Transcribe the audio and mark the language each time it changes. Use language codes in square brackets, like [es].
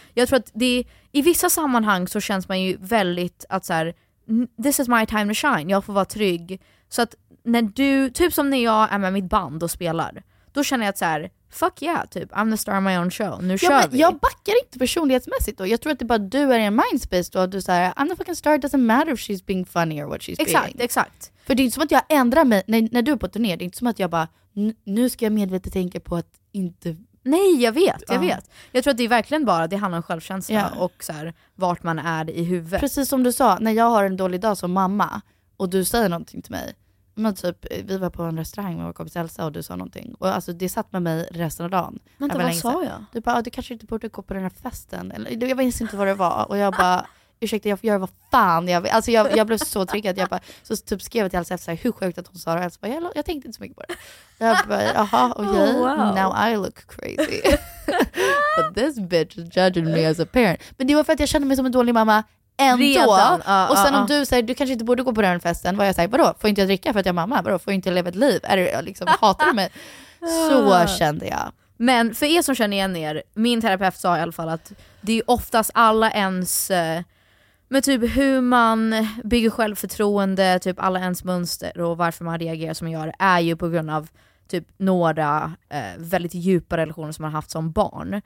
[sv] Jag tror att det i vissa sammanhang så känns man ju väldigt att så här, [en] this is my time to shine. [sv] Jag får vara trygg. Så att när du, typ som när jag är med mitt band och spelar, då känner jag att så här, [en] fuck yeah, [sv] typ, [en] I'm the star of my own show. [sv] Nu ja, kör vi. Jag backar inte personlighetsmässigt då. Jag tror att det bara du är i en mindspace då. Du säger, [en] I'm the fucking star, it doesn't matter if she's being funny or what she's [sv] exakt, [en] being. [sv] Exakt, exakt. För det är inte som att jag ändrar mig, när du är på turné, det är inte som att jag bara, nu ska jag medvetet tänka på att inte... Nej, jag vet, jag vet. Jag tror att det är verkligen bara, det handlar om självkänsla och så här, vart man är i huvudet. Precis som du sa, när jag har en dålig dag som mamma och du säger någonting till mig. Men typ, vi var på en restaurang med vår kompis Elsa och du sa någonting. Och alltså, det satt med mig resten av dagen. Vänta, vad sa jag? Du bara, du kanske inte borde gå på den här festen. Eller, jag minns inte vad det var. Och jag bara, ursäkta, jag får göra vad fan jag vill. Alltså jag blev så triggad. Jag bara, så typ skrev till Elsa efter sig, hur sjukt att hon sa det. Och Elsa bara, jag tänkte inte så mycket på det. Jag bara, jaha, okej. [en] Okay. Oh, wow. Now I look crazy. But this bitch is judging me as a parent. [sv] Men det var för att jag kände mig som en dålig mamma. Och sen om du säger, du kanske inte borde gå på den festen, vad jag säger, vadå, får inte jag dricka för att jag är mamma, vadå, får inte jag leva ett liv, är det, jag liksom hatar mig. Så kände jag. Men för er som känner igen er, min terapeut sa i alla fall att det är oftast alla ens, med typ hur man bygger självförtroende, typ alla ens mönster och varför man reagerar som man gör, är ju på grund av typ några väldigt djupa relationer som man har haft som barn.